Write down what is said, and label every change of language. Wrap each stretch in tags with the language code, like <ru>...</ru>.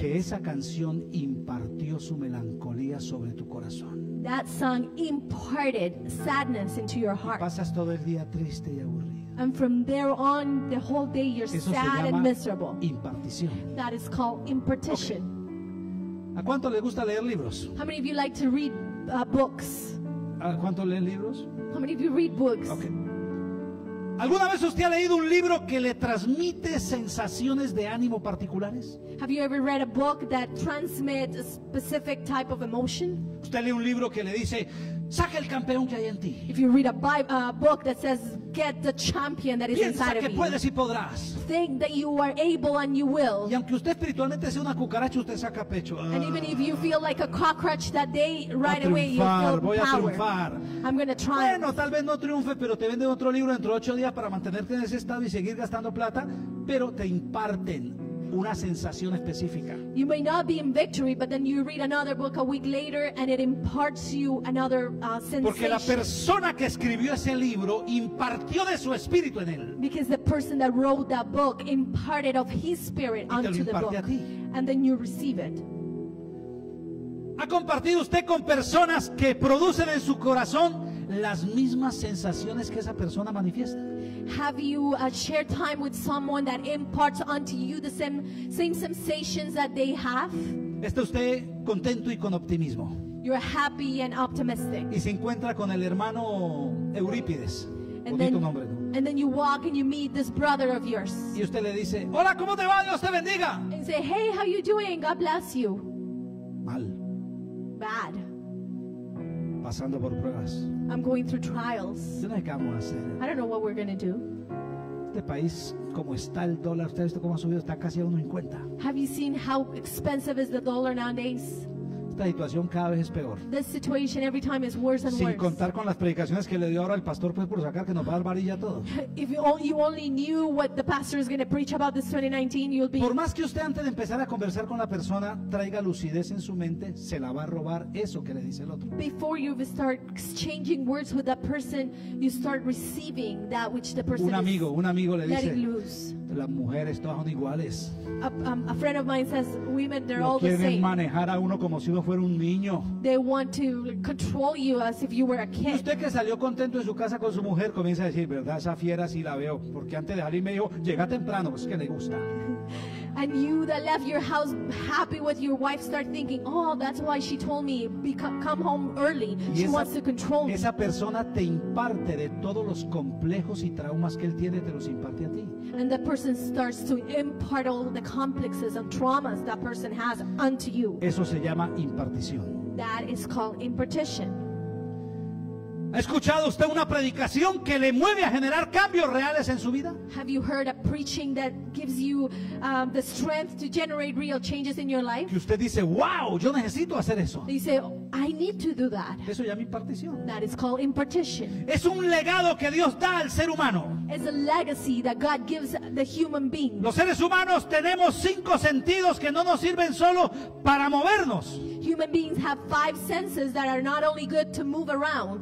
<es>Que esa canción impartió su melancolía sobre tu corazón.</es> <en>That song imparted sadness into your heart.</en> <es>Y pasas todo el día triste y aburrido.</es> <en>And from there on, the whole day you're</en> <es>Eso</es> <en>sad and miserable.</en> <es>Impartición.</es> <en>That is called impartition.</en> <es>Okay. ¿A cuánto le gusta leer libros?</es> <en>How many of you like to read books?</en> <es>¿A cuánto leen libros?</es> <en>How many of you read books? Okay.</en> <es>¿Alguna vez usted ha leído un libro que le transmite sensaciones de ánimo particulares?</es> <en>Have you ever read a book that transmits a specific type of emotion?</en> <es>¿Usted lee un libro que le dice, saque el campeón que hay en ti?</es> <en>If you read a book that says, get the champion that is</en> <es>piensa</es> <en>inside of you.</en> <es>Piensa que puedes y podrás.</es> <en>Think that you are able and you will.</en> <es>Y aunque usted espiritualmente sea una cucaracha, usted saca pecho.</es> <en>And even if you feel like a cockroach that day, right</en> <es>triunfar,</es> <en>away you feel</en> <es>voy</es> <en>power.</en> <es>A triunfar.</es> <en>I'm going to triumph.</en> <es>Bueno, tal vez no triunfe, pero te venden otro libro dentro de 8 días para mantenerte en ese estado y seguir gastando plata, pero te imparten una sensación específica.</es> <en>You may not be in victory, but then you read another book a week later and it imparts you another sensation.</en> <es>Porque la persona que escribió ese libro impartió de su espíritu en él.</es> <en>Because the person that wrote that book imparted of his spirit onto the book. And then you receive it.</en> <es>¿Ha compartido usted con personas que producen en su corazón las mismas sensaciones que esa persona manifiesta?</es> <en>Have you shared time with someone that imparts onto you the same sensations that they have?</en> <es>¿Está usted contento y con optimismo?</es> <en>You're happy and optimistic.</en> <es>¿Y se encuentra con el hermano Eurípides? Bonito nombre, ¿no?</es> <en>And then you walk and you meet this brother of yours.</en> <es>¿Y usted le dice, hola, cómo te va? Dios te bendiga.</es> <en>And say, hey, how you doing? God bless you.</en> <es>Mal.</es> <en>Bad.</en> <es>Pasando por pruebas.</es> <en>I'm going through trials.</en> <es>Yo no sé qué vamos a hacer.</es> <en>I don't know what we're going to do.</en> <es>Este país, como está el dólar, ¿ustedes cómo ha subido? Está casi a 1.50.</es> <en>Have you seen how expensive is the dollar nowadays?</en> <es>Esta situación cada vez es peor.</es> <en>This situation every time is worse and</en> <es>sin</es> <en>worse.</en> <es>Sin contar con las predicaciones que le dio ahora el pastor, pues, por sacar que nos va a dar varilla a todos.</es> <en>If you only knew what the pastor is going to preach about this 2019, you'll be.</en> <es>Por más que usted antes de empezar a conversar con la persona traiga lucidez en su mente, se la va a robar eso que le dice el otro.</es> <en>Before you start exchanging words with that person, you start receiving that which the person.</en> <es>Un amigo le dice.</es> <en>Loose.</en> <es>Las mujeres todas son iguales.</es> <en>A friend of mine says, women they're</en> <es>lo</es> <en>all the same.</en> <es>Quieren manejar a uno como si uno fuera un niño.</es> <en>They want to control you as if you were a kid.</en> <es>Y usted que salió contento en su casa con su mujer comienza a decir, ¿verdad? Esa fiera sí la veo, porque antes de salir me dijo, llega temprano, es que le gusta.</es> <en>And you that left your house happy with your wife start thinking, oh, that's why she told me come home early. She</en> <es>esa,</es> <en>wants to control me.</en> <es>Esa persona te imparte de todos los complejos y traumas que él tiene, te los imparte a ti.</es> <en>And that person starts to impart all the complexes and traumas that person has unto you.</en> <es>Eso se llama impartición.</es> <en>That is called impartition.</en> <es>¿Ha escuchado usted una predicación que le mueve a generar cambios reales en su vida?</es> <en>Have you heard a preaching that gives you the strength to generate real changes in your life?</en> <es>Que usted dice, wow, yo necesito hacer eso.</es> <en>You say, I need to do that.</en> <es>Eso llama impartición.</es> <en>That is called impartition.</en> <es>Es un legado que Dios da al ser humano.</es> <en>It's a legacy that God gives the human being.</en> <es>Los seres humanos tenemos 5 sentidos que no nos sirven solo para movernos.</es> <en>Human beings have 5 senses that are not only good to move around,</en>